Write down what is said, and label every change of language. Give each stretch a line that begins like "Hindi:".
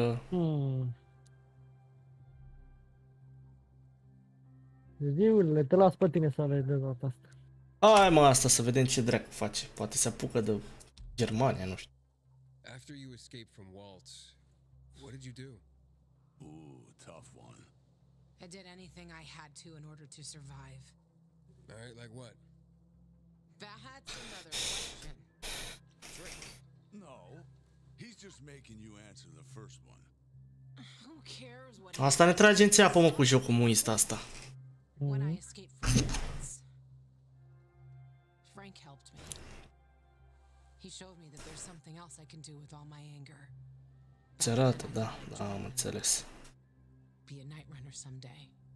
Romanian: Hmm. Ziule, te las pe tine să vezi de data asta. Hai mă, asta, să vedem ce dracu face. Poate se apucă de Germania, nu știu.
English: After you escaped from Waltz, what did you do? Ooh, tough one. I did anything I had to in order to survive. All right, like what? That's another question. Drink. No. He's just making you answer the first one. Who cares what?
Romanian: Asta ne trage în țeapă, mă, cu jocul muist asta.
English: When I escaped from Waltz, Frank helped me. He showed me that there's something else I can do with all my anger.
Romanian: Cerată, da, da, am înțeles.
English: Be a night runner someday.